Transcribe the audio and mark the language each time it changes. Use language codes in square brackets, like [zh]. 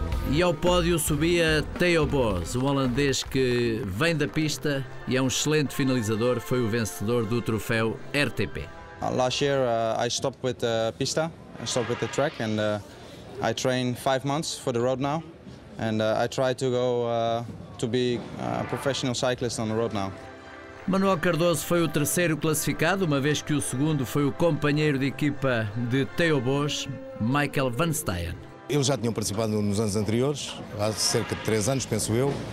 [pt] E ao pódio subia Theo Bos, um holandês que vem da pista e é um excelente finalizador, foi o vencedor do troféu RTP. [en] Last year I stopped with the pista, I stopped with the track, and I train 5 months for the road now, and I try to go to be a professional cyclist on the road now. [pt] Manuel Cardoso foi o terceiro classificado, uma vez que o segundo foi o companheiro de equipa de Theo Bos, Michael van Steyen. Eles já tinham participado nos anos anteriores, há cerca de 3 anos, penso eu.